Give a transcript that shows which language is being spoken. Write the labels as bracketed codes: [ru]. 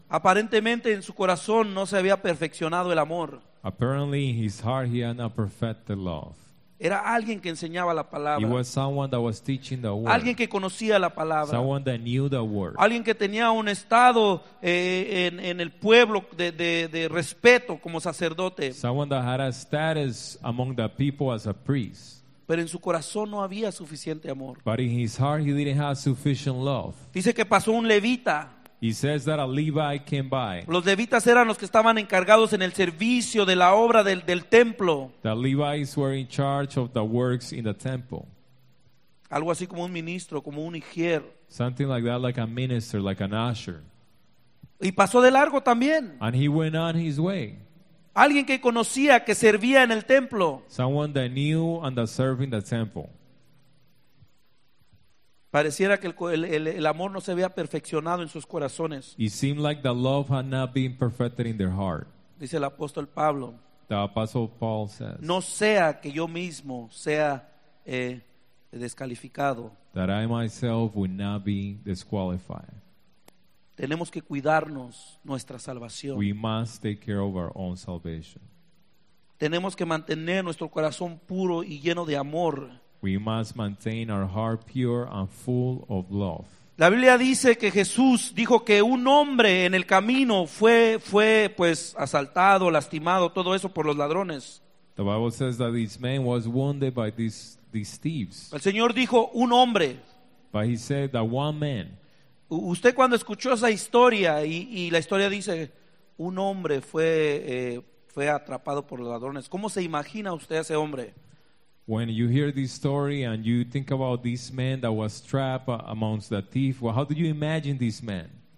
[es] Aparentemente en su corazón no se había perfeccionado el amor. [en] Apparently in his heart he had not perfected love. [es] Era alguien que enseñaba la palabra. [en] He was someone that was teaching the word. [es] Alguien que conocía la palabra. [en] Someone that knew the word. [es] Alguien que tenía un estado en el pueblo de respeto como sacerdote. [en] Someone that had a status among the people as a priest. [es] Pero en su corazón no había suficiente amor. [en] But in his heart he didn't have sufficient love. [es] Dice que pasó un levita. [en] He says that a Levi came by. [es] Los levitas eran los que estaban encargados en el servicio de la obra del templo. [en] The Levites were in charge of the works in the temple. [es] Algo así como un ministro, como un ujier. [en] Something like that, like a minister, like an usher. [es] Y pasó de largo también. [en] And he went on his way. [es] Alguien que conocía, que servía en el templo. [en] Someone that knew and that served in the temple. [es] Pareciera que el amor no se había perfeccionado en sus corazones. [en] It seemed like the love had not been perfected in their heart. [es] Dice el apóstol Pablo. [en] The apostle Paul says. [es] No sea que yo mismo sea descalificado. [en] That I myself would not be disqualified. [es] Tenemos que cuidarnos nuestra salvación. [en] We must take care of our own salvation. [es] Tenemos que mantener nuestro corazón puro y lleno de amor. [en] We must maintain our heart pure and full of love. [es] La Biblia dice que Jesús dijo que un hombre en el camino fue pues asaltado, lastimado, todo eso por los ladrones. [en] The Bible says that this man was wounded by these thieves. [es] El Señor dijo un hombre. [en] But he said that one man. [es] Usted cuando escuchó esa historia y la historia dice un hombre fue atrapado por los ladrones. ¿Cómo se imagina usted a ese hombre? [en] When you hear this story and you think about this man that was trapped amongst the thief, well, how do you imagine this man?